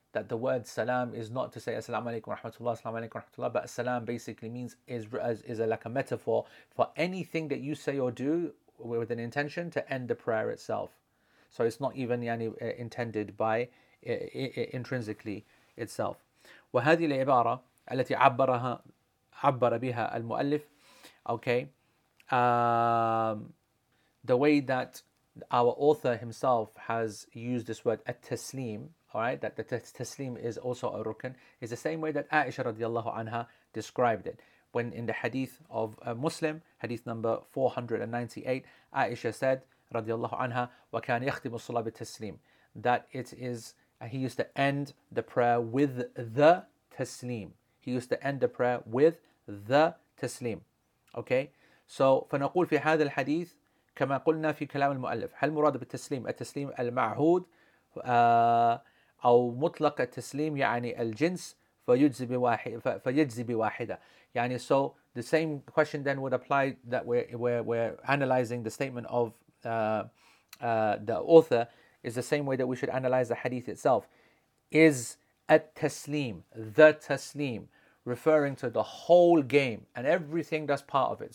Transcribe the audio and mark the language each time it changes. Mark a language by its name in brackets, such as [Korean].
[English] That the word salam is not to say assalamu alaikum wa rahmatullah, assalamu alaikum wa rahmatullah, but salam basically means is like a metaphor for anything that you say or do with an intention to end the prayer itself. So it's not even yani intended by intrinsically itself. [Arabic] وهذه العبارة التي عبر بها المؤلف. [English] Okay, the way that our author himself has used this word at-taslim, all right, that the taslim is also a rukun, is the same way that Aisha radiallahu anha described it. When in the hadith of Muslim, hadith number 498, Aisha said radiallahu anha, [Arabic] وَكَانَ يَخْتِمُ الصَّلَاةَ بِالتَّسْلِيمِ, [English] that it is And he used to end the prayer with the taslim. He used to end the prayer with the taslim. Okay? So, [Arabic] فَنَقُولْ فِي هَذَا الْحَدِيثِ كَمَا قُلْنَا فِي كَلَامِ الْمُؤَلِّفِ هَلْ مُرَادُ بِالتَسْلِيمِ التَسْلِيمِ الْمَعْهُودِ أو مطلق التسليم يعني الجنس فيجزي بواحدة. [English] يعني so the same question then would apply that we're analyzing the statement of the author is the same way that we should analyze the hadith itself. Is التسليم, the تسليم, referring to the whole game and everything that's part of it.